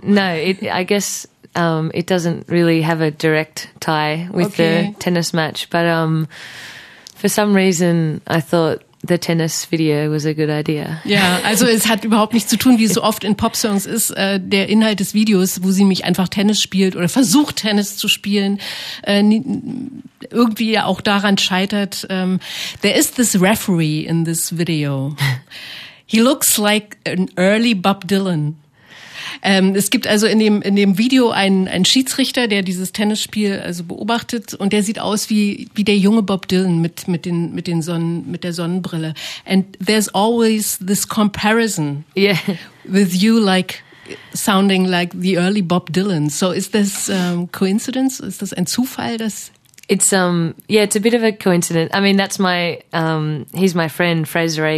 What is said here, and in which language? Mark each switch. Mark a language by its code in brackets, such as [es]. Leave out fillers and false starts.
[en] No, it doesn't really have a direct tie with the tennis match. But for some reason, I thought the tennis video was a good idea. [de] Ja, also es hat überhaupt nichts zu tun, wie es so oft in Popsongs ist, der Inhalt des Videos, wo sie mich einfach Tennis spielt oder versucht Tennis zu spielen, irgendwie ja auch daran scheitert. [en] There is this referee in this video. He looks like an early Bob Dylan. [de] Es gibt also in dem Video einen Schiedsrichter, der dieses Tennisspiel also beobachtet, und der sieht aus wie der junge Bob Dylan mit der Sonnenbrille. [en] And there's always this comparison with you like sounding like the early Bob Dylan. So is this coincidence? [de] Ist das ein Zufall, dass [en] It's a bit of a coincidence. I mean, that's my he's my friend Fraser A.